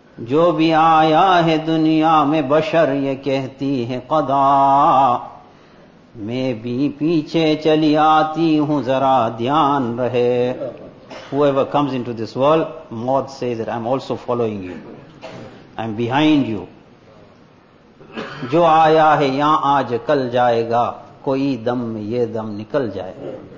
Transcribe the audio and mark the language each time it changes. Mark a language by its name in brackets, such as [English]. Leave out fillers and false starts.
[Urdu] جو بھی آیا ہے دنیا میں بشر یہ کہتی ہے قضا میں بھی پیچھے چلی آتی ہوں ذرا دھیان رہے. [English] Whoever comes into this world, Maud says that I'm also following you. I'm behind you. [Urdu] جو آیا ہے یہاں آج کل جائے گا کوئی دم یہ دم نکل جائے.